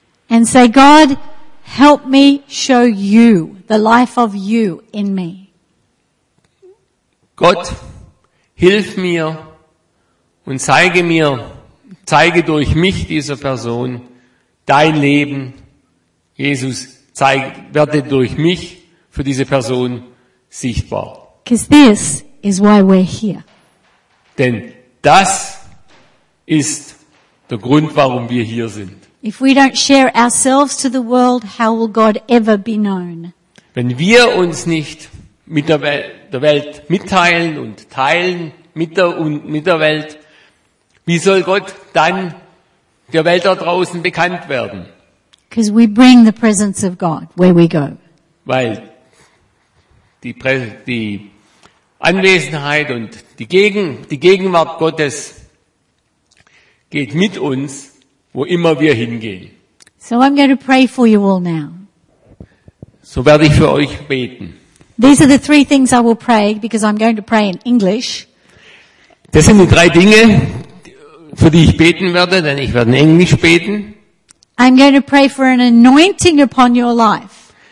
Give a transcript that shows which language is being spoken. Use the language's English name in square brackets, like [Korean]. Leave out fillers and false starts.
[English] And say, God, help me show you the life of you in me. [German] Gott, hilf mir und zeige durch mich dieser Person dein Leben. Jesus, werde durch mich für diese Person sichtbar. [English] Because this is why we're here. [German] Denn das ist der Grund, warum wir hier sind. [English] If we don't share ourselves to the world, how will God ever be known? [German] Wenn wir uns nicht mit der Welt mitteilen und teilen mit der Welt, wie soll Gott dann der Welt da draußen bekannt werden? [English] Because we bring the presence of God where we go. [German] Weil die Anwesenheit und die Gegenwart Gottes geht mit uns, wo immer wir hingehen. [English] So I'm going to pray for you all now. [German] So werde ich für euch beten. [English] These are the three things I will pray because I'm going to pray in English. [German] Das sind die drei Dinge, für die ich beten werde, denn ich werde in Englisch beten. [English] I'm going to pray for an anointing upon your life.